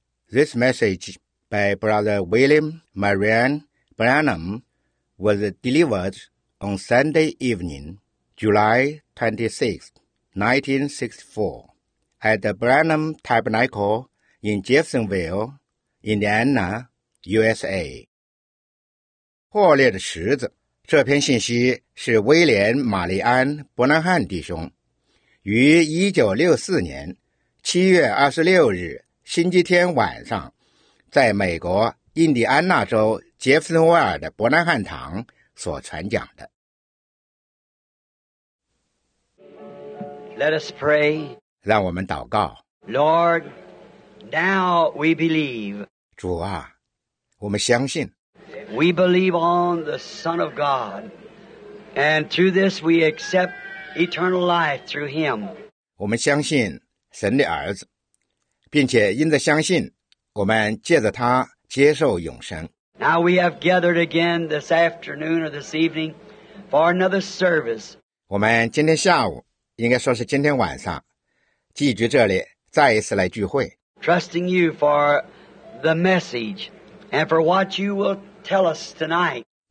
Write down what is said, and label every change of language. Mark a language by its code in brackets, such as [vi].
[en] This message by Brother William Marion Branham was delivered on Sunday evening, July 26, 1964, at the Branham Tabernacle in Jeffersonville, Indiana, USA. [zh] 破裂的石子，这篇信息是威廉·玛丽安·伯南汉弟兄于1964年 7月26日星期天晚上在美国印第安纳州杰弗森维尔的伯南汉堂所传讲的。 [en] Let us pray. [zh] 让我们祷告。 [en] Lord, now we believe. [zh] 主啊, 我们相信。 [en] We believe on the Son of God, and through this we accept eternal life through Him. [zh] 我们相信神的儿子。并且因着相信，我们借着他接受永生。 [en] Now we have gathered again this afternoon or this evening for another service. [zh] 我们今天下午，应该说是今天晚上，聚集这里，再一次来聚会。 [en] Trusting you for the message and for what you will tell us tonight.